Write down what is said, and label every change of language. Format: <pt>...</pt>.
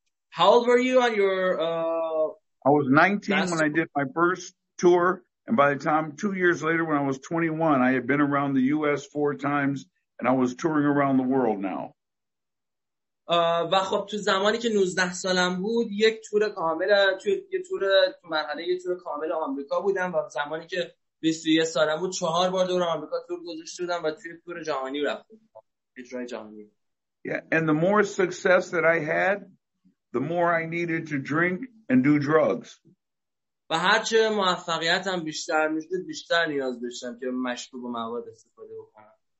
<en>How old were you on your I was 19 when I did my first tour, and by the time 2 years later when I was 21, I had been around the US four times and I was touring around the world now.</en> <fa>و خب تو زمانی که 19 سالم بود یک تور کامل تو مرحله یک تور کامل آمریکا بودم و زمانی که 21 سالم بود 4 بار دور آمریکا تور گذاشته بودم و توی تور جهانی رفتم اجرای جهانی.</fa> <en>Yeah, and the more success that I had, the more I needed to drink and do drugs.</en> <fa>و هرچه موفقیتم بیشتر میشد بیشتر نیاز داشتم که مشروب و مواد استفاده بکنم.</fa>